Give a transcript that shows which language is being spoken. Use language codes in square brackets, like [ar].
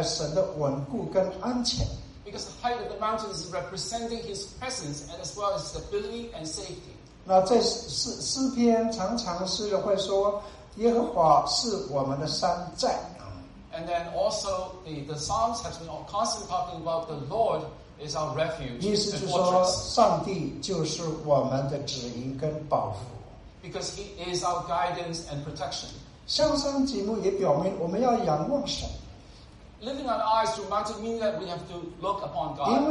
[zh] 因为山的高耸就是象征着神的同在还有神的稳固跟安全, [en] because the height of the mountain is representing his presence and as well as stability and safety. [zh] 那在诗篇常常诗人会说, 耶和华是我们的山寨。 [en] And then also the Psalms have been constantly talking about the Lord is our refuge. [zh] 意思就是说上帝就是我们的指引跟保护, [en] because he is our guidance and protection. [zh] 向山举目也表明我们要仰望神, [en] lifting our eyes to mountain means that we have to look upon God.